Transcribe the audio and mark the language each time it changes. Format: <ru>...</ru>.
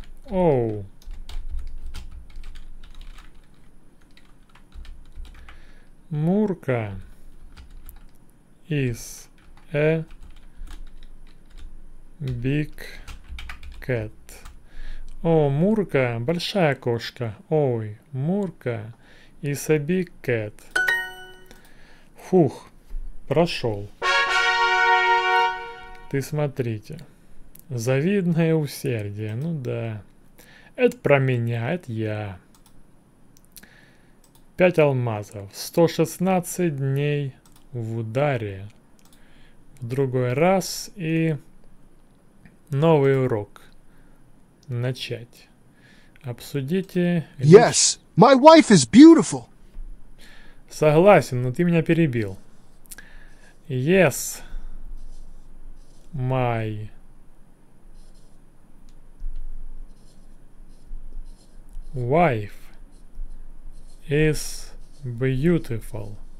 <en>О, Мурка is a big cat.</en> <ru>О, Мурка, большая кошка.</ru> <en>Ой, Мурка is a big cat.</en> <ru>Фух, прошел. Ты смотрите, завидное усердие, ну да. Это про меня, это я. 5 алмазов, 116 дней в ударе. В другой раз и новый урок. Начать. Обсудите.</ru> <en>Yes, my wife is beautiful.</en> <ru>Согласен, но ты меня перебил.</ru> <en>Yes, my wife is beautiful.</en>